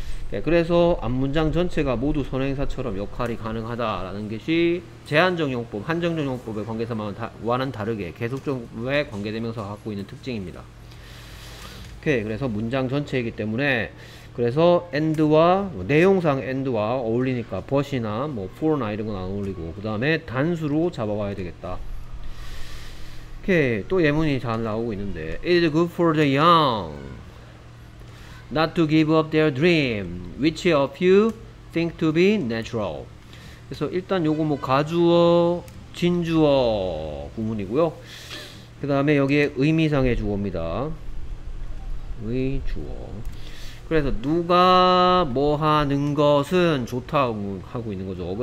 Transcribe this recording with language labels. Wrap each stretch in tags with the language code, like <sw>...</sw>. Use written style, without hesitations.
<ko>네, 그래서 앞문장 전체가 모두 선행사처럼 역할이 가능하다라는 것이 제한적 용법, 한정적 용법의 관계사와는 다르게 계속적 용법의 관계대명사가 갖고 있는 특징입니다. 오케이, 그래서 문장 전체이기 때문에 그래서 and와 뭐, 내용상 and와 어울리니까 but이나 뭐 for나 이런 건 안 어울리고 그 다음에 단수로 잡아와야 되겠다. 오케이, 또 예문이 잘 나오고 있는데</ko> <en>It is good for the young not to give up their dream, which a few think to be natural.</en> <ko>그래서 일단 요거 뭐 가주어, 진주어 구문이고요. 그 다음에 여기에 의미상의 주어입니다. 의 주어. 그래서 누가 뭐 하는 것은 좋다 하고 있는 거죠.</ko>